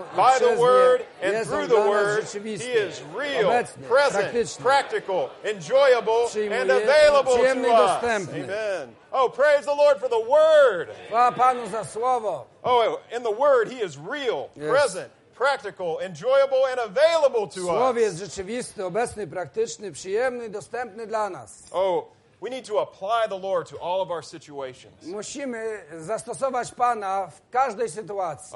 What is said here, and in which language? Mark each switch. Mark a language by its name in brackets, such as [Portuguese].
[English] by the Word, and through the Word, He is real, [Polish] obecny, [English] present, practical, enjoyable, and available to us. [Polish] Dostępny. [English] Amen. Oh, praise the Lord for the Word. [Polish] Chwała Panu za słowo. [English] Oh, in the Word, He is real, yes. Present, practical, enjoyable, and available to us. [Polish] Słowie jest rzeczywisty, obecny, praktyczny, przyjemny, dostępny dla nas. [English] Oh, we need to apply the Lord to all of our situations. [Polish] Musimy zastosować Pana w każdej sytuacji.